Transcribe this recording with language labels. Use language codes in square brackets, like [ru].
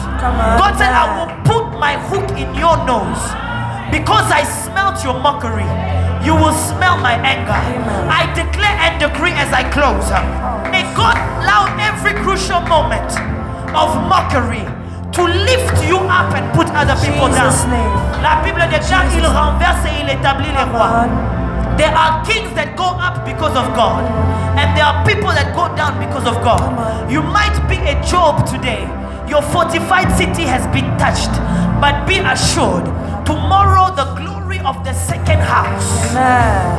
[en] God said, I will put my hook in your nose because I smelt your mockery. You will smell my anger. Amen. I declare and decree as I close. May God allow every crucial moment of mockery to lift you up and put other people Jesus down. Name. [fr] La Bible déclare, il renverse et il établit les rois. [en] There are kings that go up because of God. And there are people that go down because of God. You might be a Job today. Your fortified city has been touched. But be assured, tomorrow the glory of the second house Amen.